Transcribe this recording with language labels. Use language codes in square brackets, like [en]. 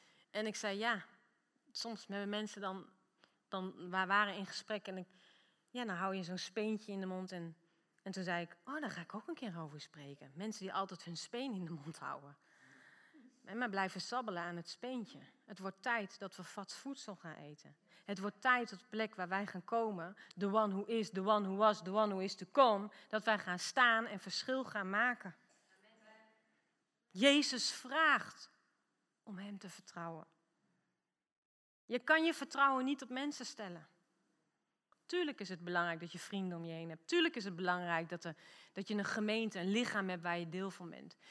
[nl] En ik zei, ja, soms hebben mensen dan waren in gesprek. En dan hou je zo'n speentje in de mond. En, En toen zei ik, oh, daar ga ik ook een keer over spreken. Mensen die altijd hun speen in de mond houden. En maar blijven sabbelen aan het speentje. Het wordt tijd dat we vats voedsel gaan eten. Het wordt tijd op de plek waar wij gaan komen. [en] The one who is, the one who was, the one who is to come. [nl] Dat wij gaan staan en verschil gaan maken. Jezus vraagt om hem te vertrouwen. Je kan je vertrouwen niet op mensen stellen. Tuurlijk is het belangrijk dat je vrienden om je heen hebt. Tuurlijk is het belangrijk dat je een gemeente, een lichaam hebt waar je deel van bent.